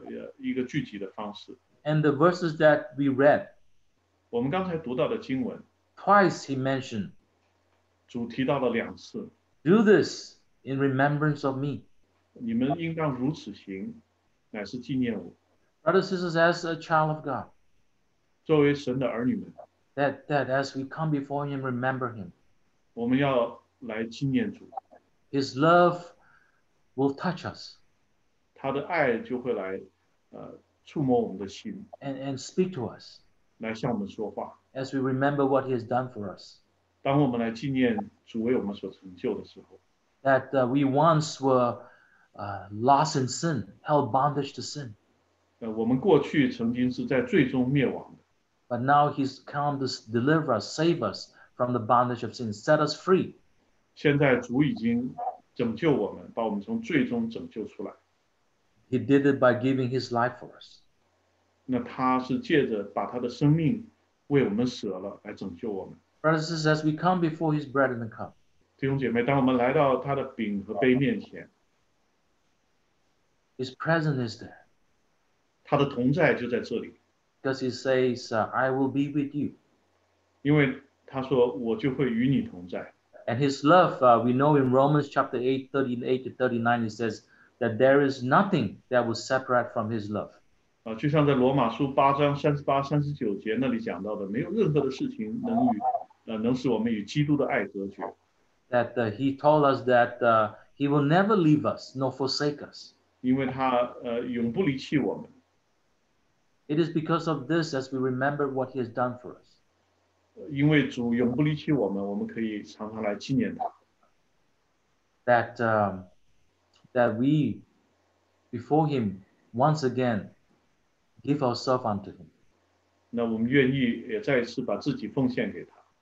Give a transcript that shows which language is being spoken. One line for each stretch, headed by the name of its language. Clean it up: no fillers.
Chinese: 这是一个唯一主叫我们要做的一个聚集的方式。
English: And the verses that we read,
Chinese: 我们刚才读到的经文,
English: twice he mentioned,
Chinese: 主提到了两次,
English: do this in remembrance of me.
Chinese: 你们应当如此行, 乃是纪念我。
English: Brothers and sisters, as a child of God,
Chinese: 作为神的儿女们,
English: that as we come before him, remember him.
Chinese: 我们要来纪念主。
English: His love will touch us.
Chinese: 他的爱就会来, 触摸我们的心,
English: and speak to us.
Chinese: 来向我们说话。
English: As we remember what he has done for us.
Chinese: 当我们来纪念主为我们所成就的时候,
English: that we once were lost in sin, held bondage to sin.
Chinese: 我们过去曾经是在罪中灭亡的。
English: But now he's come to deliver us, save us from the bondage of sin, set us free.
Chinese: 现在主已经拯救我们, 把我们从罪中拯救出来。
English: He did it by giving his life for us.
Chinese: 那他是借着把他的生命为我们舍了来拯救我们。
English: Brothers, as we come before his bread and the cup,
Chinese: 弟兄姐妹, 当我们来到他的饼和杯面前,
English: his presence is there.
Chinese: 他的同在就在这里。
English: Because he says, I will be with you.
Chinese: 因为他说, 我就会与你同在。
English: And his love, we know in Romans chapter 8, 38 to 39, he says that there is nothing that will separate from his love.
Chinese: 就像在罗马书8章38-39节那里讲到的, 没有任何的事情能与, 能使我们与基督的爱隔绝。
English: That he told us that he will never leave us nor forsake us.
Chinese: 因为他, 永不离弃我们。
English: It is because of this as we remember what he has done for us.
Chinese: 因为主永不离弃我们, 我们可以常常来纪念他。
English: That, that we, before him, once again, give ourselves unto him.
Chinese: 那我们愿意也再一次把自己奉献给他。